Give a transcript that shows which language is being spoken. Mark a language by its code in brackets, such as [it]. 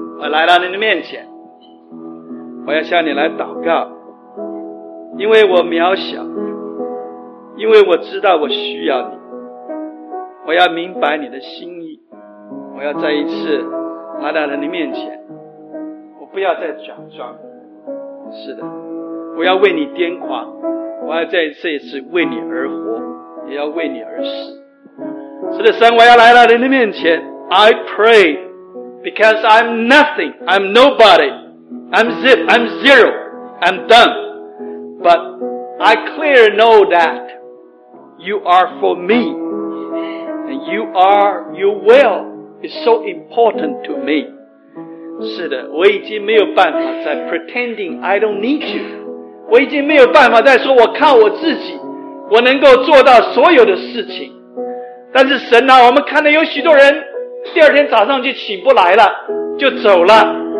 [zh] 来到您的面前，我要向你来祷告，因为我渺小，因为我知道我需要你，我要明白你的心意，我要再一次来到您的面前，我不要再假装，是的，我要为你癫狂，我要再这一次为你而活，也要为你而死。是的，神，我要来到您的面前。 [en] I pray because I'm nothing, I'm nobody, I'm zip, I'm zero, I'm done. But I clear know that you are for me, and you are, your will is so important to me. [zh] 是的，我已经没有办法在 [en] pretending I don't need you. [zh] 我已经没有办法在说我靠我自己，我能够做到所有的事情。但是神啊，我们看到有许多人第二天早上就起不来了，就走了。